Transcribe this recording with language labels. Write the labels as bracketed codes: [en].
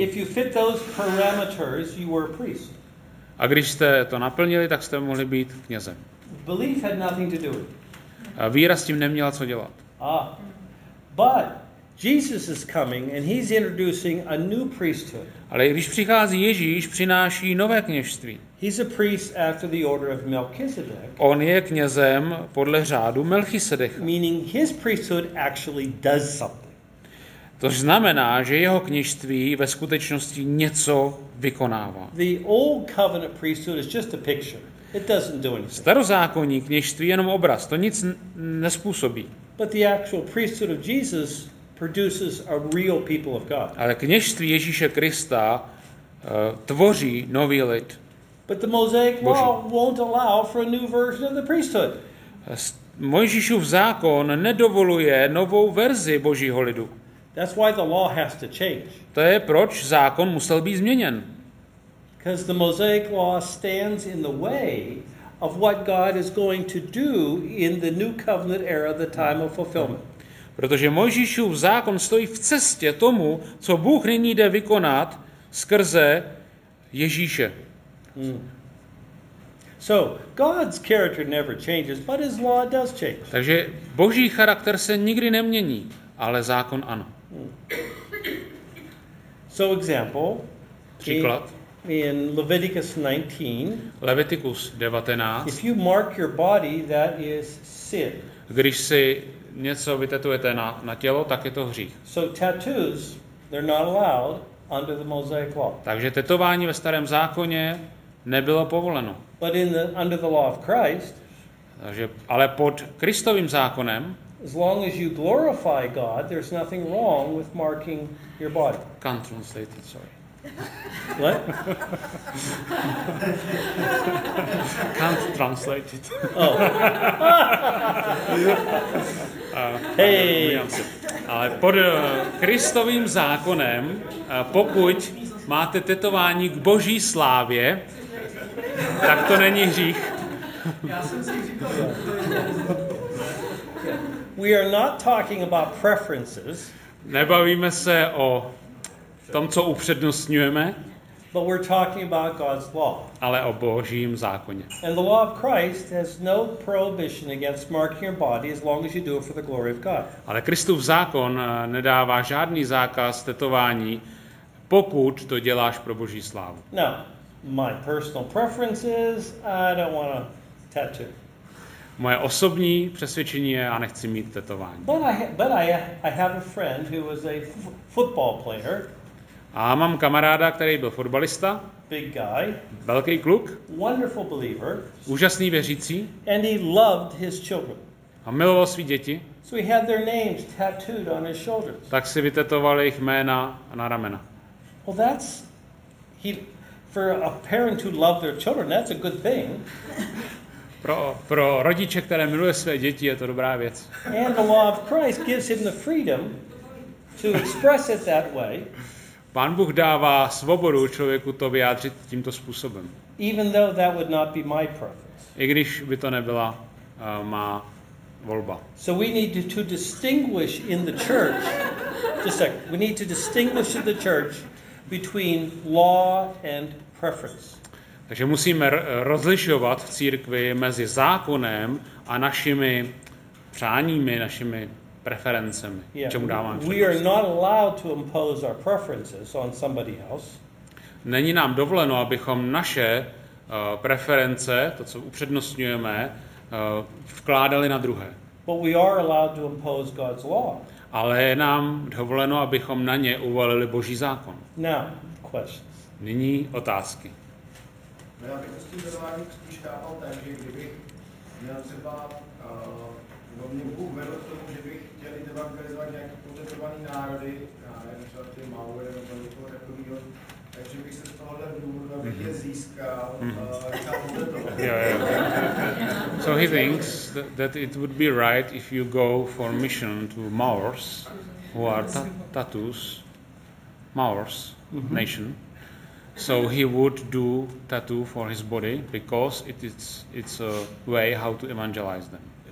[en] If you fit those parameters, you were a priest. [cs] A když jste to naplnili, tak jste mohli být knězem. [en] Belief had nothing to do with. [cs] A víra s tím neměla co dělat. Ah. [en] But Jesus is coming and he's introducing a new priesthood. [cs] Ale když přichází Ježíš, přináší nové kněžství. [en] He's a priest after the order of Melchizedek. [cs] On je knězem podle řádu Melchisedecha. [en] Meaning his priesthood actually does something. [cs] To znamená, že jeho kněžství ve skutečnosti něco vykonává. [en] The old covenant priesthood is just a picture. It doesn't do anything. [cs] Starozákonní kněžství je jenom obraz, to nic nespůsobí. [en] But the actual priesthood of Jesus produces a real people of God. [cs] Ale kněžství Ježíše Krista tvoří nový lid. [en] But the Mosaic law won't allow for a new version of the priesthood. [cs] Mojžíšův zákon nedovoluje novou verzi Božího lidu. [en] That's why the law has to change. [cs] To je proč zákon musel být změněn. [en] Because the Mosaic law stands in the way of what God is going to do in the new covenant era, the time of fulfillment. [cs] Protože Mojžíšův zákon stojí v cestě tomu, co Bůh nyní jde vykonat skrze Ježíše. Hmm. [en] So, God's character never changes, but his law does change. [cs] Takže Boží charakter se nikdy nemění, ale zákon ano. [en] So example, [cs] příklad. [en] In Leviticus 19. [cs] Leviticus 19. [en] If you mark your body, that is sin. [cs] Když si něco vytetujete na tělo, tak je to hřích. [en] So tattoos, they're not allowed under the Mosaic law. [cs] Takže tetování ve starém zákoně nebylo povoleno. [en] But in the under the law of Christ. [cs] Takže ale pod Kristovým zákonem. [en] As long as you glorify God, there's nothing wrong with marking your body. Can't translate it, sorry. What? Can't translate it. Oh. Hey. [cs] Ale pod Kristovým zákonem, pokud máte tetování k Boží slávě, tak to není hřích. [en] We are not talking about preferences. [cs] Nebavíme se o tom, co upřednostňujeme. [en] But we're talking about God's law. [cs] Ale o Božím zákoně. [en] And the law of Christ has no prohibition against marking your body as long as you do it for the glory of God. [cs] Ale Kristův zákon nedává žádný zákaz tetování, pokud to děláš pro Boží slávu. [en] No. My personal preference is I don't want a tattoo. [cs] Moje osobní přesvědčení je, já nechci mít tetování. [en] But I have a friend who was a football player. [cs] A mám kamaráda, který byl fotbalista. [en] Big guy. [cs] Velký kluk. [en] Wonderful believer. [cs] Úžasný věřící. [en] And he loved his children. [cs] A miloval své děti. [en] So he had their names tattooed on his shoulders. [cs] Tak si vytetoval jejich jména na ramena. [en] Well, that's he for a parent who loved their children. That's a good thing. [cs] Pro rodiče, které miluje své děti, je to dobrá věc. [en] And the law of Christ gives him the freedom to express it that way. [cs] Pán Bůh dává svobodu člověku to vyjádřit tímto způsobem. [en] Even though that would not be my preference. [cs] I když by to nebyla má volba. [en] So we need to distinguish in the church. Just a second. We need to distinguish in the church between law and preference. [cs] Takže musíme rozlišovat v církvi mezi zákonem a našimi přáními, našimi preferencemi, yeah, čemu dáváme přednost. [en] We are not allowed to impose our preferences on somebody else. [cs] Není nám dovoleno, abychom naše preference, to, co upřednostňujeme, vkládali na druhé. [en] But we are allowed to impose God's law. [cs] Ale je nám dovoleno, abychom na ně uvalili Boží zákon. [en] Now, questions. [cs] Nyní otázky. Já bych s tím vedování spíš chápal tak, že kdybych měl třeba, no mě Bůh vedl k tomu, že bych chtěl evangelizovat nějaký potetovaný národy, já nevím, třeba ty Maury nebo někoho takového, takže bych se z tohohle důvodu, abych je získal, [en] So he thinks that it would be right if you go for mission to Maors, who are tattoos, Maors nation. So he would do tattoo for his body because it's a way how to evangelize them.